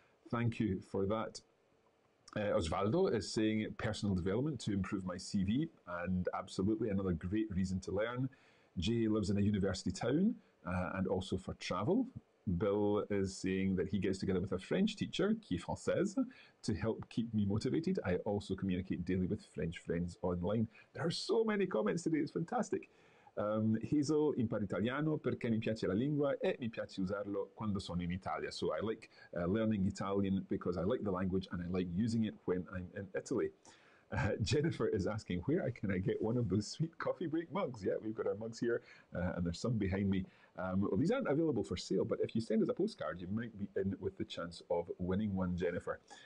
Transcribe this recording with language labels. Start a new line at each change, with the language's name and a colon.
English: Thank you for that. Osvaldo is saying personal development to improve my CV, and absolutely another great reason to learn. Jay lives in a university town and also for travel. Bill is saying that he gets together with a French teacher, qui française, to help keep me motivated. I also communicate daily with French friends online. There are so many comments today. It's fantastic.
Italian: Hazel, impar italiano perché mi piace la lingua e mi piace usarlo quando sono in Italia.
English: So I like learning Italian because I like the language and I like using it when I'm in Italy. Jennifer is asking, where can I get one of those sweet coffee break mugs? Yeah, we've got our mugs here and there's some behind me. Well, these aren't available for sale, but if you send us a postcard, you might be in with the chance of winning one, Jennifer.